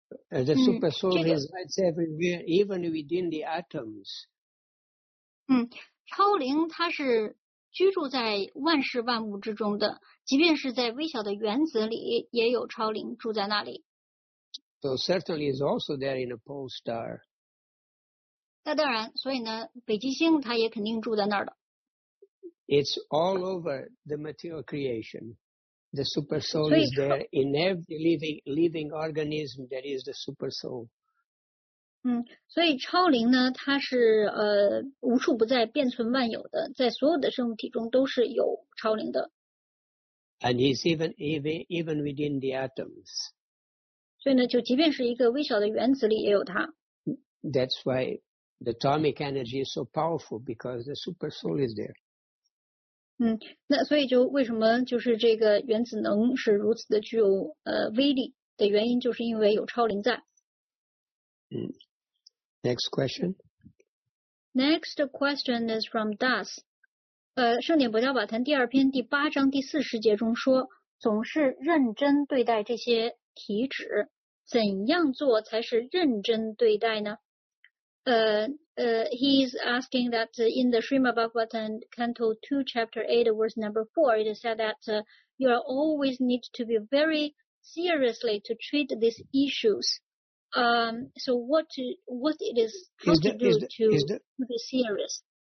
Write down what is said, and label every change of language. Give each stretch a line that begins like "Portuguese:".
English: The super soul resides everywhere, even within the atoms.
Chinese: 超灵它是居住在万事万物之中的，即便是在微小的原子里，也有超灵住在那里。
English: So certainly is also there in a pole star.
Chinese: 那当然，所以呢，北极星它也肯定住在那儿的。
English: It's all over the material creation. The super soul is there in every living organism. There is the super soul.
Chinese: 所以超灵呢，它是无处不在，遍存万有的，在所有的生物体中都是有超灵的。
English: And he's even within the atoms.
Chinese: 所以呢，就即便是一个微小的原子里也有它。
English: That's why the atomic energy is so powerful because the super soul is there.
Chinese: 那所以就为什么就是这个原子能是如此的具有威力的原因，就是因为有超灵在。
English: Next question. Next question is from Das.
Chinese: 圣典博教法坛第二篇第八章第四十节中说，总是认真对待这些体旨，怎样做才是认真对待呢？
English: He is asking that in the Srimad Bhagavatam Canto 2, Chapter 8, verse number 4, it is said that you are always need to be very seriously to treat these issues. So what it is supposed to do to be serious?